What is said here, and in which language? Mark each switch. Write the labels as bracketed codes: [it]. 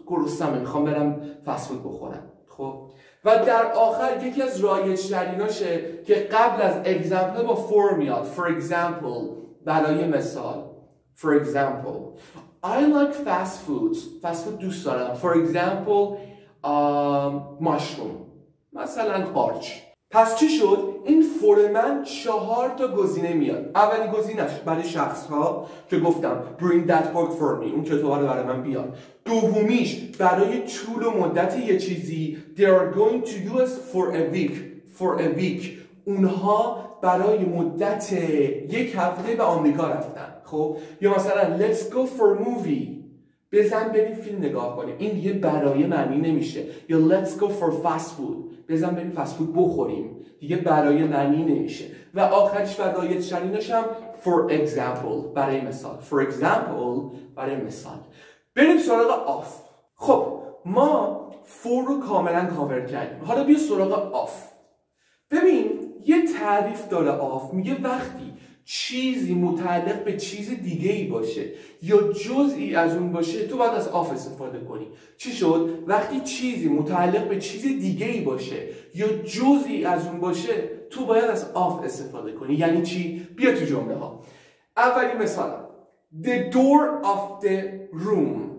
[fa] گرسنمه، میخوام برم fast food بخورم. خب و در آخر یکی از رایج‌تریناشه که قبل از اگزمپل با فور میاد. [en] For example، [fa] برای مثال. [en] For example، I like fast food. Fast food [fa] دوست دارم. [en] For example، mushroom، [fa] مثلا قارچ. پس چی شد؟ این فور من 4 تا گزینه میاد. اولی گزینش برای شخص ها که گفتم [en] bring that book for me، [fa] اون کتاب رو برای من بیار. دومیش برای طول و مدت یه چیزی، [en] they are going to US for a week. For a week، [fa] اونها برای مدت یک هفته به آمریکا رفتن. خب یا مثلا [en] let's go for movie، [fa] بزن بریم فیلم نگاه کنیم. این دیگه برای معنی نمیشه. یا [en] let's go for fast food، [fa] بزن بریم فست فود بخوریم، دیگه برای منی نمیشه. و آخرش و دایت شنینش هم [en] for example، [fa] برای مثال، for example برای مثال. بریم سراغ off. خب ما for رو کاملا کاور کردیم، حالا بیا سراغ off. ببین یه تعریف داره off، میگه وقتی چیزی متعلق به چیز دیگه ای باشه یا جزئی از اون باشه تو باید از آف استفاده کنی. چی شد؟ وقتی چیزی متعلق به چیز دیگه ای باشه یا جزئی از اون باشه تو باید از آف استفاده کنی. یعنی چی؟ بیا تو جمله ها. اولی مثال، [en] The door of the room.